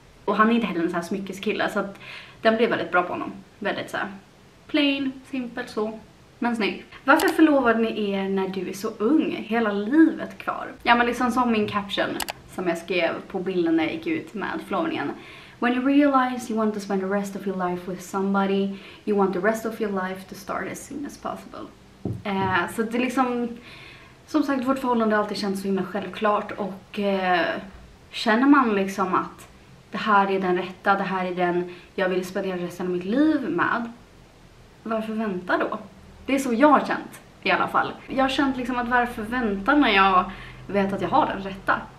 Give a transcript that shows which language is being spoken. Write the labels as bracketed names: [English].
[Swedish] Och han är inte heller en sån här smyckeskille. Så att den blev väldigt bra på honom. Väldigt så här plain, simpel så. Men snygg. Varför förlovade ni er när du är så ung? Hela livet kvar. Ja men liksom som min caption som jag skrev på bilden när jag gick ut med förlovningen. [English] When you realize you want to spend the rest of your life with somebody, you want the rest of your life to start as soon as possible. [Swedish] Så det är liksom, som sagt, vårt förhållande har alltid känts så himla självklart. Och känner man liksom att det här är den rätta, det här är den jag vill spendera resten av mitt liv med, varför vänta då? Det är så jag har känt i alla fall. Jag har känt liksom att varför vänta när jag vet att jag har den rätta?